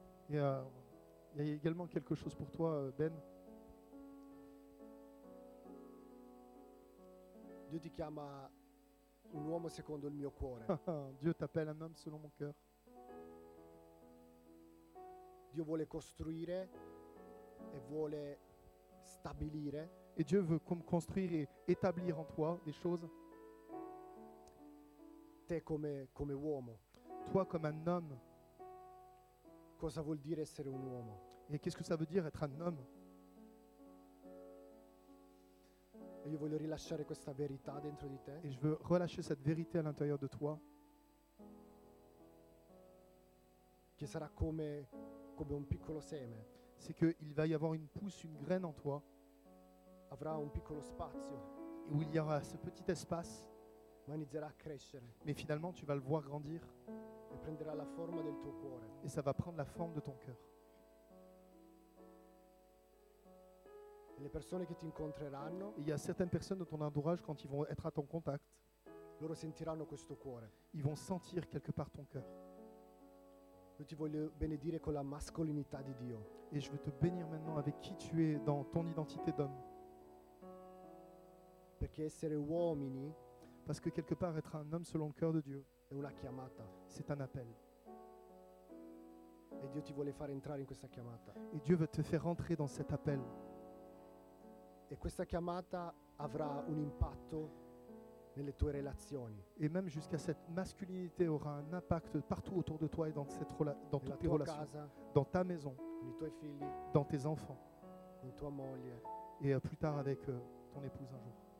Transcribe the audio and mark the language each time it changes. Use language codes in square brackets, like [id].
[fr] Il y a également quelque chose pour toi, Ben. [it] Dieu ti chiama un uomo secondo il mio cuore. [fr] Dieu t'appelle un homme selon mon cœur. [it] Dieu vuole costruire e vuole stabilire. [fr] Et Dieu veut comme construire et établir en toi des choses. [it] Te come uomo. [fr] Toi comme un homme. [it] Cosa vuol dire essere un uomo? [fr] Et qu'est-ce que ça veut dire être un homme? [it] Et io voglio rilasciare questa verità dentro di te. [fr] Et je veux relâcher cette vérité à l'intérieur de toi. [it] Che sarà come un piccolo seme. [fr] C'est que il va y avoir une pousse, une graine en toi. [it] Avrà un piccolo spazio. [fr] Et où il y aura ce petit espace. [it] Ma inizierà a crescere. [fr] Mais finalement, tu vas le voir grandir. [it] Prenderà la forma del tuo cuore. [fr] Et ça va prendre la forme de ton cœur. [it] Le persone che ti incontreranno, [fr] il y a certaines personnes de ton entourage quand ils vont être à ton contact. [it] Loro sentiranno questo cuore. [fr] Ils vont sentir quelque part ton cœur. Je te veux bénir avec la masculinité de Dieu. Et je veux te bénir maintenant avec qui tu es dans ton identité d'homme. [it] Perché essere uomini, [fr] parce que quelque part être un homme selon le cœur de Dieu, [it] è una chiamata. [fr] C'est un appel. [it] E Dio ti vuole far entrare in questa chiamata. [fr] Et Dieu veut te faire entrer dans cet appel. [it] E questa chiamata avrà un impatto nelle tue relazioni. [fr] Et même jusqu'à cette masculinité aura un impact partout autour de toi et dans cette dans toutes tes relations, [it] casa, [fr] dans ta maison, [it] nei tuoi figli, [fr] dans tes enfants, [it] in tua moglie, [fr] et plus tard avec ton épouse un jour.